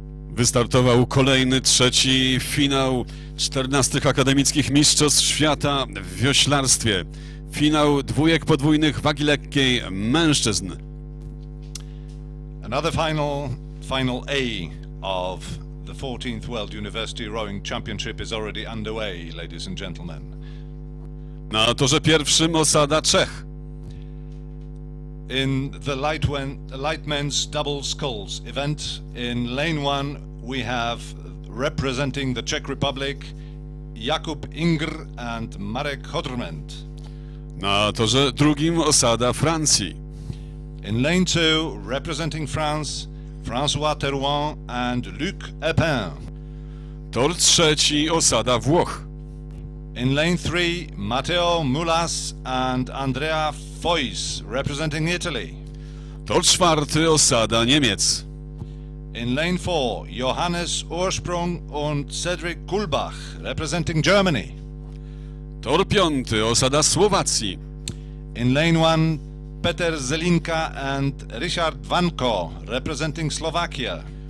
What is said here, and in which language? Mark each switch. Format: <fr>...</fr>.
<pl>Wystartował kolejny, trzeci finał 14 akademickich mistrzostw świata w wioślarstwie. Finał dwójek podwójnych wagi lekkiej mężczyzn.</pl> <en>Another final A of the 14th World University Rowing Championship is already underway, ladies and gentlemen.</en> <pl>Na torze pierwszym osada Czech.</pl> <en>In the light men's double sculls event in lane one, we have representing the Czech Republic Jakub Ingr and Marek Hodrment.</en> <pl>Na torze drugim osada Francji.</pl> <en>In lane two, representing France, François Terouin and Luc Epin.</en> <pl>Tor trzeci osada Włoch.</pl> <en>In lane three, Matteo Mulas and Andrea Feuss, representing Italy.</en> <pl>Tor czwarty osada Niemiec.</pl> <en>In lane 4, Johannes Ursprung and Cedric Kulbach, representing Germany.</en> <pl>Tor piąty, osada Słowacji.</pl> <en>In lane 1, Peter Zelinka and Richard Vanko, representing Slovakia.</en>